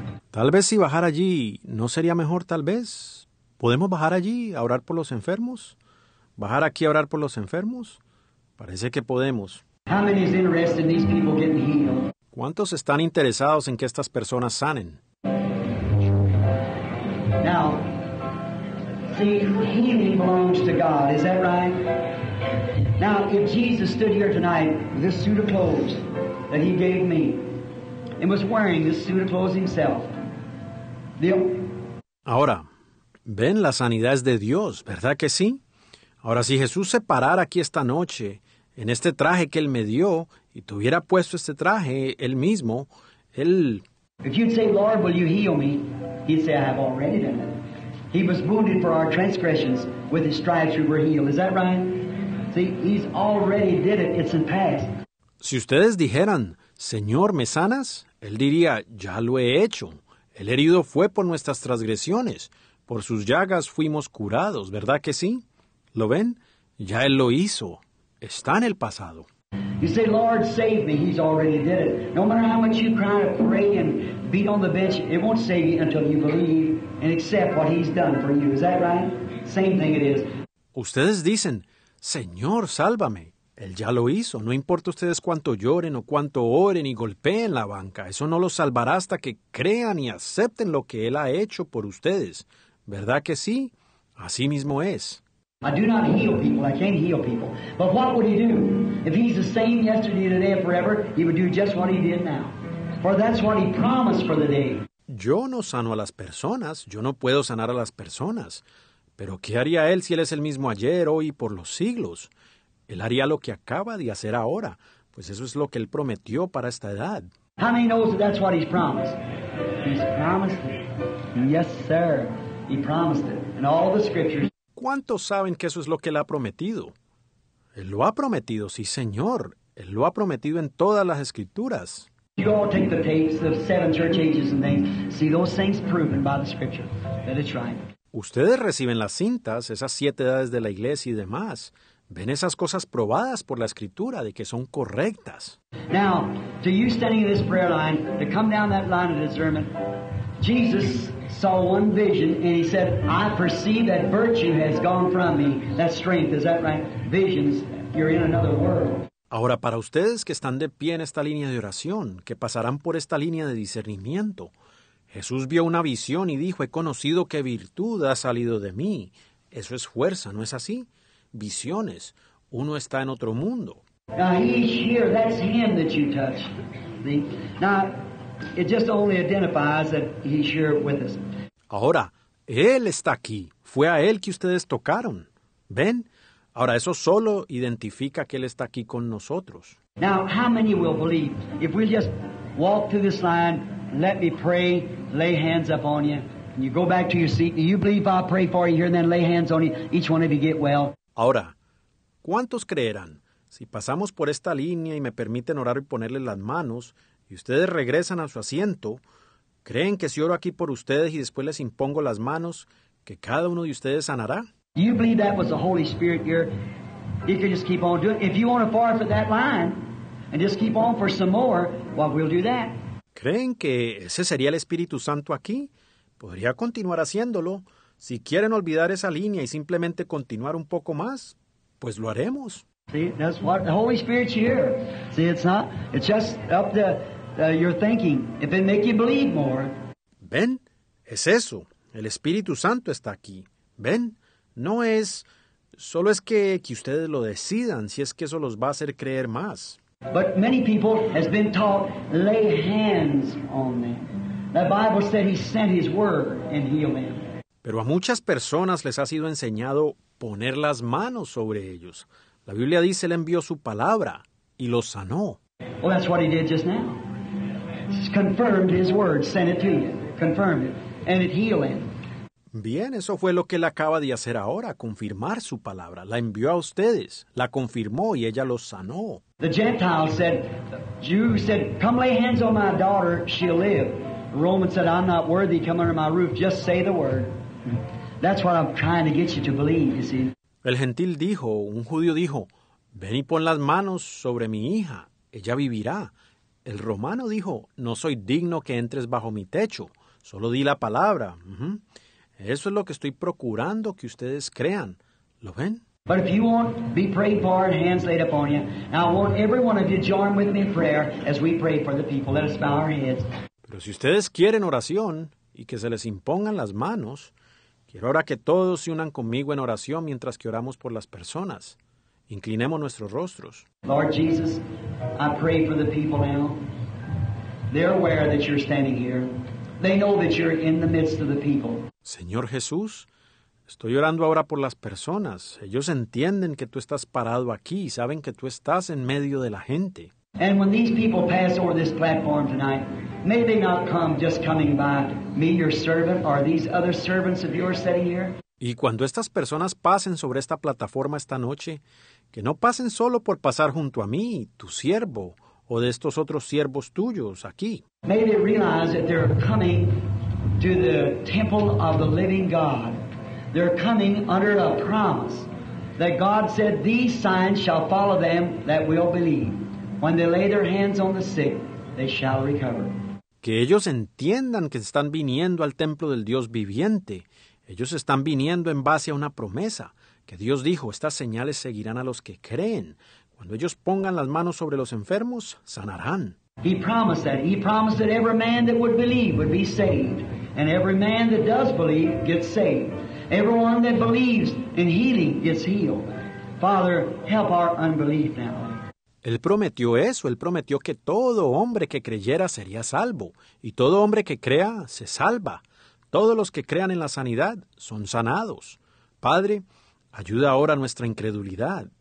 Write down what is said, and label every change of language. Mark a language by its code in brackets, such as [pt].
[es] Tal vez si bajar allí, ¿no sería mejor tal vez? ¿Podemos bajar allí a orar por los enfermos? ¿Bajar aquí a orar por los enfermos? Parece que podemos. [en] How many is interested in these people getting healed? [es] ¿Cuántos están interesados en que estas personas sanen? [en] Now, see, healing belongs to God, is that right? Now, if Jesus stood here tonight with this suit of clothes that he gave me and was wearing this suit of clothes himself, [es] ahora, ven, la sanidad es de Dios, ¿verdad que sí? Ahora, si Jesús se parara aquí esta noche, en este traje que Él me dio, y tuviera puesto este traje Él mismo, Él... [en] If you'd say, Lord, will you heal me? He'd say, I have already done it. He was wounded for our transgressions, with His stripes we were healed. Is that right? See, He's already did it, it's in past. [es] Si ustedes dijeran, Señor, ¿me sanas? Él diría, ya lo he hecho. El herido fue por nuestras transgresiones. Por sus llagas fuimos curados, ¿verdad que sí? ¿Lo ven? Ya Él lo hizo. Está en el pasado. [en] You say, Lord, save me. He's already did it. No matter how much you cry and pray and beat on the bench, it won't save you until you believe and accept what He's done for you. Is that right? Same thing it is. [es] Ustedes dicen, Señor, sálvame. Él ya lo hizo. No importa ustedes cuánto lloren o cuánto oren y golpeen la banca. Eso no los salvará hasta que crean y acepten lo que Él ha hecho por ustedes. ¿Verdad que sí? Así mismo es. [en] I do not heal people. I can't heal people. But what would He do? If He's the same yesterday, today, and forever, He would do just what He did now. For that's what He promised for the day. [es] Yo no sano a las personas. Yo no puedo sanar a las personas. Pero ¿qué haría Él si Él es el mismo ayer, hoy y por los siglos? Él haría lo que acaba de hacer ahora, pues eso es lo que Él prometió para esta edad. [en] How many knows that that's what He's promised? He's promised it. Yes, sir. He promised it. In all the scriptures. [es] ¿Cuántos saben que eso es lo que Él ha prometido? Él lo ha prometido, sí, Señor. Él lo ha prometido en todas las Escrituras. [en] You all take the tapes of seven church ages and things. See those things proven by the scripture. That it's right. [es] Ustedes reciben las cintas, esas siete edades de la iglesia y demás. Ven esas cosas probadas por la Escritura de que son correctas. [en] Now, to you standing in this prayer line, to come down that line of discernment, Jesus saw one vision and He said, I perceive that virtue has gone from me. That strength, is that right? Visions, you're in another world. [es] Ahora, para ustedes que están de pie en esta línea de oración, que pasarán por esta línea de discernimiento, Jesús vio una visión y dijo, he conocido que virtud ha salido de mí. Eso es fuerza, ¿no es así? Visiones. Uno está en otro mundo. [en] Now, He's here. That's Him that you touch. Now, it just only identifies that He's here with us. [es] Ahora, Él está aquí. Fue a Él que ustedes tocaron. ¿Ven? Ahora, eso solo identifica que Él está aquí con nosotros. [en] Now, how many will believe? If we just walk through this line, let me pray, lay hands up on you, and you go back to your seat, you believe I'll pray for you here, and then lay hands on you, each one of you get well. [es] Ahora, ¿cuántos creerán? Si pasamos por esta línea y me permiten orar y ponerle las manos, y ustedes regresan a su asiento, ¿creen que si oro aquí por ustedes y después les impongo las manos, que cada uno de ustedes sanará? [en] You believe that was the Holy Spirit here? You can just keep on doing it. If you want to forfeit that line and just keep on for some more, well, we'll do that. [es] ¿Creen que ese sería el Espíritu Santo aquí? Podría continuar haciéndolo. Si quieren olvidar esa línea y simplemente continuar un poco más, pues lo haremos. [en] See, that's what the Holy Spirit's here. See, it's not, it's just up to your thinking. If it makes you believe more. [es] Ven, es eso. El Espíritu Santo está aquí. Ven, no es, solo es que ustedes lo decidan, si es que eso los va a hacer creer más. [en] But many people have been taught, lay hands on them. The Bible said He sent His word and healed them. [es] Pero a muchas personas les ha sido enseñado poner las manos sobre ellos. La Biblia dice, Él envió su palabra y los sanó. [en] Well, that's what He did just now. Confirmed His word, sent it to you. Confirmed it. And it healed him. [es] Bien, eso fue lo que Él acaba de hacer ahora, confirmar su palabra. La envió a ustedes, la confirmó y ella los sanó. [en] The Gentiles said, Jews said, come lay hands on my daughter, she'll live. The Romans said, I'm not worthy, come under my roof, just say the word. That's what I'm trying to get you to believe, you see. [es] El gentil dijo, un judío dijo, ven y pon las manos sobre mi hija, ella vivirá. El romano dijo, no soy digno que entres bajo mi techo, solo di la palabra. Eso es lo que estoy procurando que ustedes crean. ¿Lo ven? [en] But if you want, be prayed for and hands laid upon you. Now I want every one of you to join with me in prayer as we pray for the people. Let us bow our heads. [es] Pero si ustedes quieren oración y que se les impongan las manos, quiero ahora que todos se unan conmigo en oración mientras que oramos por las personas. Inclinemos nuestros rostros. [en] Lord Jesus, I pray for the people now. They're aware that you're standing here. They know that you're in the midst of the people. [es] Señor Jesús, Estoy orando ahora por las personas. Ellos entienden que tú estás parado aquí, saben que tú estás en medio de la gente. [en] And when these people pass over this platform tonight, may they not come just coming by me, your servant, or these other servants of yours sitting here. [es] Y cuando estas personas pasen sobre esta plataforma esta noche, que no pasen solo por pasar junto a mí, tu siervo, o de estos otros siervos tuyos aquí. [en] May they realize that they're coming to the temple of the living God. They're coming under a promise that God said, these signs shall follow them that will believe. When they lay their hands on the sick, they shall recover. [es] Que ellos entiendan que están viniendo al templo del Dios viviente. Ellos están viniendo en base a una promesa que Dios dijo, estas señales seguirán a los que creen. Cuando ellos pongan las manos sobre los enfermos, sanarán. [en] He promised that. He promised that every man that would believe would be saved. And every man that does believe gets saved. Everyone that believes in healing gets healed. Father, help our unbelief now. [es] Él prometió eso. Él prometió que todo hombre que creyera sería salvo. Y todo hombre que crea se salva. Todos los que crean en la sanidad son sanados. Padre, ayuda ahora a nuestra incredulidad.